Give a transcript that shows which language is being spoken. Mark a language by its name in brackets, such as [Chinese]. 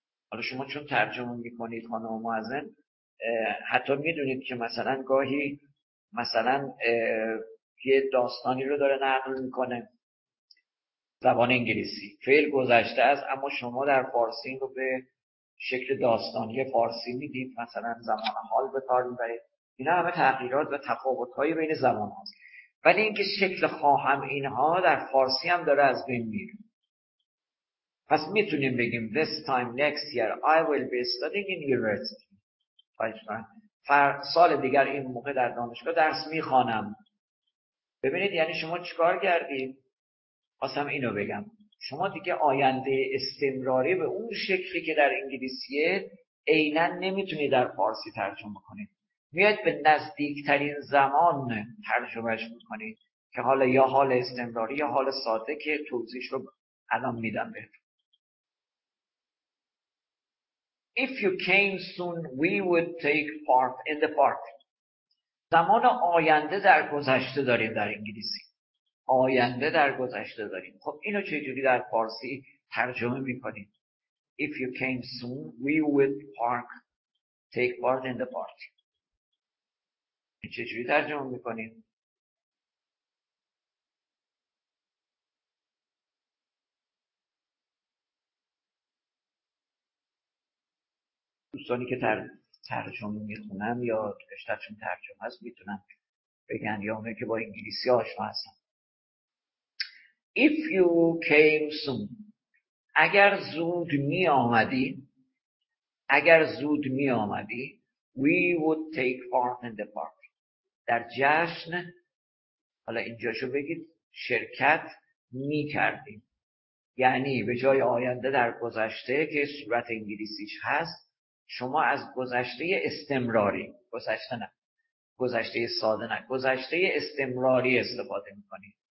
[Persian] حالا شما چون ترجمه میکنید خانم معظم، حتی میدونید که مثلا گاهی مثلا یه داستانی رو داره نقل میکنه زبان انگلیسی، فعل گذشته است، اما شما در فارسی رو به شکل داستانی فارسی میدید، مثلا زمان حال به کار میبرید. اینا همه تغییرات و تفاوت‌های بین زبان هاست. ولی اینکه شکل خواهم اینها در فارسی هم داره از بین میره. پس میتونیم بگیم [English] This time next year I will be studying in university. [Persian] فر سال دیگر این موقع در دانشگاه درس میخوانم. ببینید یعنی شما چیکار کردید؟ خواستم اینو بگم. شما دیگه آینده استمراری به اون شکلی که در انگلیسیه عیناً نمیتونی در فارسی ترجمه کنید. میاد به نزدیکترین زمان ترجمهش میکنید که حالا یا حال استمراری یا حال ساده که توضیحش رو الان میدم بهت. [English] If you came soon, we would take part in the park. [Persian] زمان آینده در گذشته داریم در انگلیسی. آینده در گذشته داریم. خب اینو چجوری در فارسی ترجمه میکنید؟ [English] If you came soon, we would park, take part in the party. [Persian] چجوری ترجمه میکنید؟ دوستانی که ترجمه میخونن یا رشتهشون ترجمه هست میتونن بگن یا اونه که با انگلیسی آشنا هستن. [English] If you came soon, [Persian] اگر زود می آمدی، [English] اگر زود می آمدی، we would take part in the party. [Persian] در جشن، حالا اینجاشو بگید، شرکت می کردیم. یعنی به جای آینده در گذشته که صورت انگلیسیش هست، شما از گذشته استمراری، گذشته نه، گذشته ساده نه، گذشته استمراری استفاده می کنید.